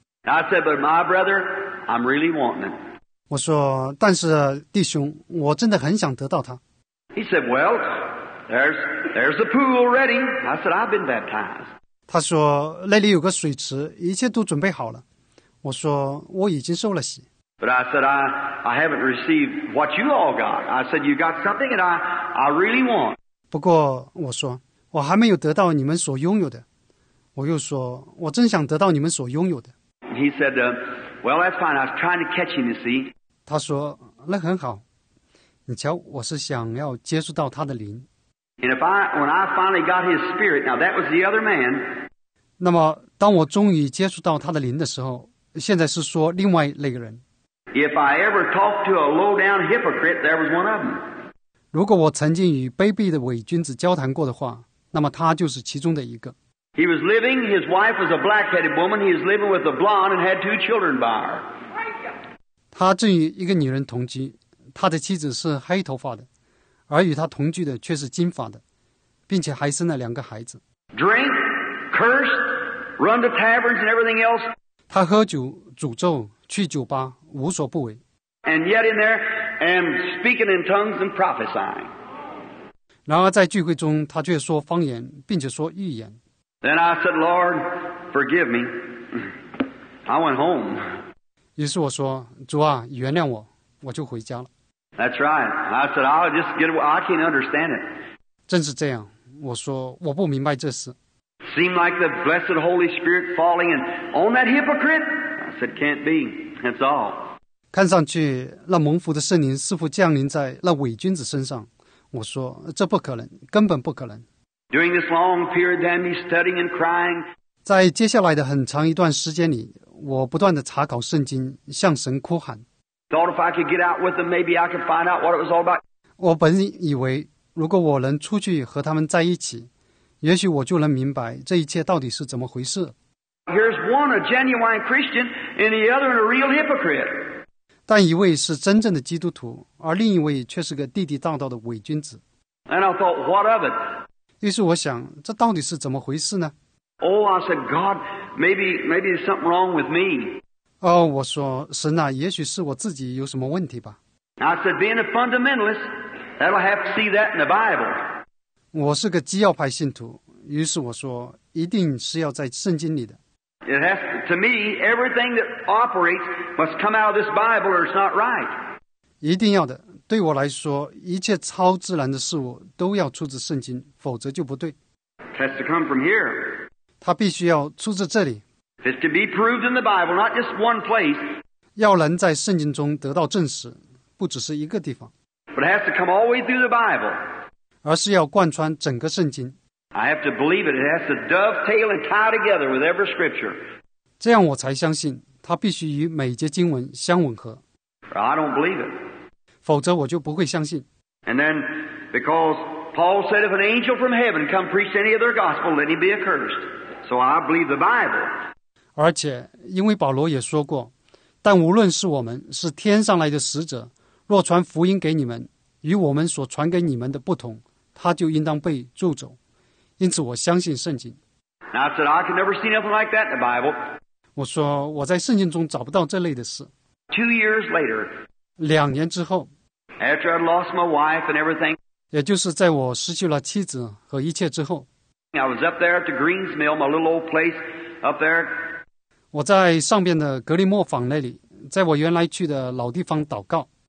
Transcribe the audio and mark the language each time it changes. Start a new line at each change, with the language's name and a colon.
English: I said, but my brother, I'm really wanting it.
Chinese: 我说，但是弟兄，我真的很想得到他。
English: He said, well, there's a pool ready. I said, I've been baptized.
Chinese: 他说，那里有个水池，一切都准备好了。我说，我已经受了洗。
English: But I said, I haven't received what you all got. I said, you got something that I really want.
Chinese: 不过我说，我还没有得到你们所拥有的。我又说，我真想得到你们所拥有的。
English: He said, well, that's fine. I was trying to catch him, you see.
Chinese: 他说，那很好。你瞧，我是想要接触到他的灵。
English: And when I finally got his spirit, now that was the other man.
Chinese: 那么，当我终于接触到他的灵的时候，现在是说另外那个人。
English: If I ever talked to a low-down hypocrite, there was one of them.
Chinese: 如果我曾经与卑鄙的伪君子交谈过的话，那么他就是其中的一个。
English: He was living, his wife was a black-headed woman, he was living with a blonde and had two children by her.
Chinese: 他正与一个女人同居，他的妻子是黑头发的，而与他同居的却是金发的，并且还生了两个孩子。
English: Drink, curse, run to taverns and everything else.
Chinese: 他喝酒、诅咒、去酒吧，无所不为。
English: And yet in there, and speaking in tongues and prophesying.
Chinese: 然而在聚会中，他却说方言，并且说预言。
English: Then I said, Lord, forgive me. I went home.
Chinese: 于是我说，主啊，原谅我，我就回家了。
English: That's right. I said, I'll just get away. I can't understand it.
Chinese: 正是这样，我说，我不明白这事。
English: Seemed like the blessed Holy Spirit falling and on that hypocrite. I said, can't be. That's all.
Chinese: 看上去，那蒙福的圣灵似乎降临在那伪君子身上。我说，这不可能，根本不可能。
English: During this long period, then he's studying and crying.
Chinese: 在接下来的很长一段时间里，我不断地查考圣经，向神哭喊。
English: Thought if I could get out with them, maybe I could find out what it was all about.
Chinese: 我本以为如果我能出去和他们在一起，也许我就能明白这一切到底是怎么回事。
English: Here's one a genuine Christian, and the other a real hypocrite.
Chinese: 但一位是真正的基督徒，而另一位却是个地地道道的伪君子。
English: And I thought, what of it?
Chinese: 于是我想，这到底是怎么回事呢？
English: Oh, I said, God, maybe there's something wrong with me.
Chinese: 哦，我说，神啊，也许是我自己有什么问题吧。
English: I said, being a fundamentalist, that'll have to see that in the Bible.
Chinese: 我是个基要派信徒，于是我说，一定是要在圣经里的。
English: It has to me, everything that operates must come out of this Bible or it's not right.
Chinese: 一定要的。对我来说，一切超自然的事物都要出自圣经，否则就不对。
English: It has to come from here.
Chinese: 它必须要出自这里。
English: It has to be proved in the Bible, not just one place.
Chinese: 要能在圣经中得到证实，不只是一个地方。
English: But it has to come all the way through the Bible.
Chinese: 而是要贯穿整个圣经。
English: I have to believe it. It has to dovetail and tie together with every scripture.
Chinese: 这样我才相信，它必须与每节经文相吻合。
English: I don't believe it.
Chinese: 否则我就不会相信。
English: And then, because Paul said, if an angel from heaven come preach any other gospel, let him be accursed. So I believe the Bible.
Chinese: 而且，因为保罗也说过，但无论是我们是天上来的使者，若传福音给你们与我们所传给你们的不同，他就应当被咒诅。因此，我相信圣经。
English: And I said, I can never see nothing like that in the Bible.
Chinese: 我说我在圣经中找不到这类的事。
English: 2 years later.
Chinese: 两年之后，
English: After I lost my wife and everything,
Chinese: 也就是在我失去了妻子和一切之后，
English: I was up there at the Greens Mill, my little old place up there.
Chinese: 我在上边的格林莫坊那里，在我原来去的老地方祷告。